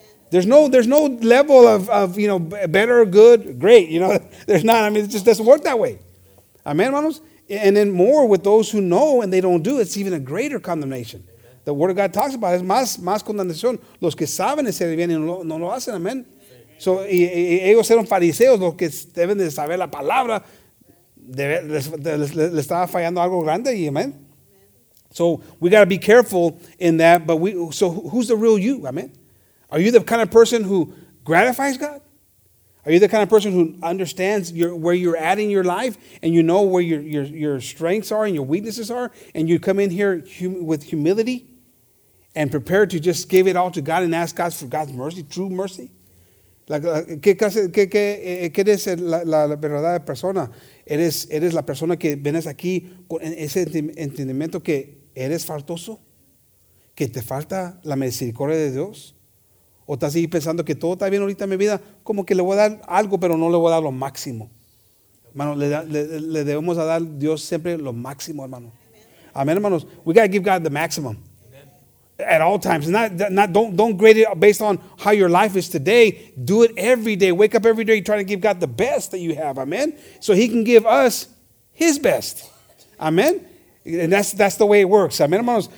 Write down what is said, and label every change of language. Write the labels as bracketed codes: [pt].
[en] There's no level of you know, better, good, great. You know, there's not. I mean, it just doesn't work that way. [es] Amén, hermanos. [en] And then more with those who know and they don't do, it's even a greater condemnation. Amen. The word of God talks about it. [es] Es más condenación. Los que saben hacer bien y no lo hacen, amén. [en] So, [es] y ellos eran fariseos, los que deben de saber la palabra, le estaba fallando algo grande, y amen. [en] So we got to be careful in that, but so who's the real you, amen? Are you the kind of person who gratifies God? Are you the kind of person who understands where you're at in your life, and you know where your strengths are and your weaknesses are, and you come in here with humility and prepare to just give it all to God and ask God for God's mercy, true mercy? [es] ¿Qué eres la verdadera persona? ¿Eres la persona que vienes aquí con ese entendimiento que eres faltoso? ¿Que te falta la misericordia de Dios? ¿O estás ahí pensando que todo está bien ahorita en mi vida? Como que le voy a dar algo, pero no le voy a dar lo máximo. Hermano, le debemos a dar a Dios siempre lo máximo, hermano. Amén, hermanos. [en] We got to give God the maximum. At all times, don't grade it based on how your life is today. Do it every day. Wake up every day trying to give God the best that you have. Amen. So He can give us His best. Amen. And that's the way it works. [es] Amen, hermanos.